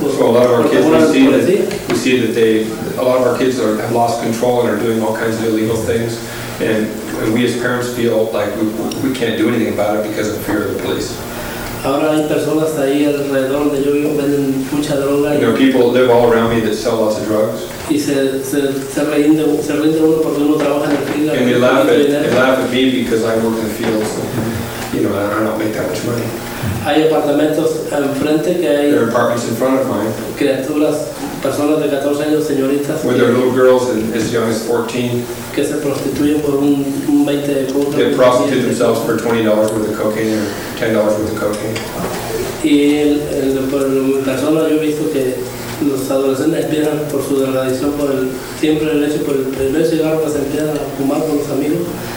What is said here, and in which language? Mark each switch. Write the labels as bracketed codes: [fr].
[en] Well, a lot of our kids we see that a lot of our kids have lost control and are doing all kinds of illegal things, and we as parents feel like we can't do anything about it because of fear of the police. [es] Ahora hay personas ahí alrededor donde yo vivo venden mucha droga. [en] There are people live all around me that sell lots of drugs. [es] Y se rinde uno porque uno trabaja en el field. [en] And they laugh at me because I work in the fields. I don't make that much money. [es] Hay apartamentos enfrente que hay. [en] There are apartments in front of mine. [es] Criaturas, personas de 14 años, señoritas. [en] Where there are little girls and as young as 14. [es] Que se prostituyen por un 20 de coca. [en] They prostitute themselves for $20 worth of cocaine or $10 worth of cocaine. [es] Y por personas yo he visto que los adolescentes pierden por su drogadicción por el primer cigarro que se empiezan a fumar con los amigos.